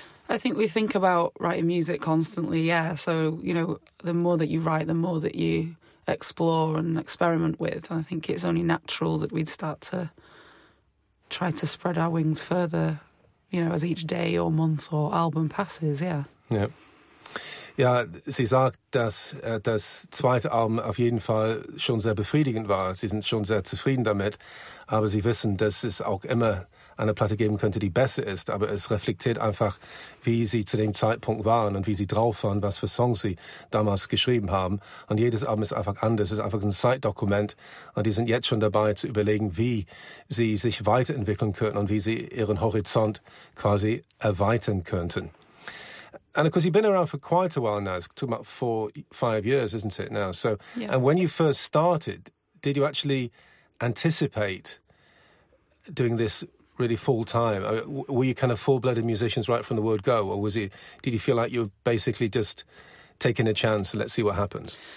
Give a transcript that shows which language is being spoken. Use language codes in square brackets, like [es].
[en] I think we think about writing music constantly, yeah. So, you know, the more that you write, the more that you explore and experiment with. And I think it's only natural that we'd start to... try to spread our wings further, you know, as each day or month or album passes, yeah. Yeah. [de] Ja, sie sagt, dass das zweite Album auf jeden Fall schon sehr befriedigend war. Sie sind schon sehr zufrieden damit, aber sie wissen, dass es auch immer eine Platte geben könnte, die besser ist, aber es reflektiert einfach, wie sie zu dem Zeitpunkt waren und wie sie drauf waren, was für Songs sie damals geschrieben haben. Und jedes Album ist einfach anders, es ist einfach ein Zeitdokument. Und die sind jetzt schon dabei zu überlegen, wie sie sich weiterentwickeln könnten und wie sie ihren Horizont quasi erweitern könnten. [en] And of course, you've been around for quite a while now. It's talking about 4-5 years, isn't it, now? So, yeah. And when you first started, did you actually anticipate doing this really full-time? Were you kind of full-blooded musicians right from the word go? Or did you feel like you were basically just taking a chance and let's see what happens?